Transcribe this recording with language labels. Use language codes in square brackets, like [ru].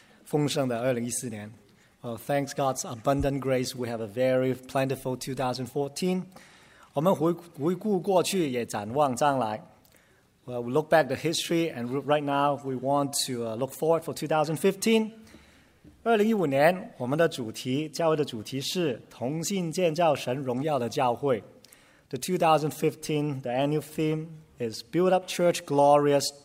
[zh] 感谢神，我们有非常的那个丰盛的2014年。 [en] Well, thanks God's abundant grace, we have a very plentiful 2014. [zh] 我们回顾过去，也展望将来。 [en] Well, we look back the history, and right now we want to look forward for 2015. [zh] 2015年，我们的主题，教会的主题是同心建造神荣耀的教会。 [en] The 2015, the annual theme is Build Up Church Glorious.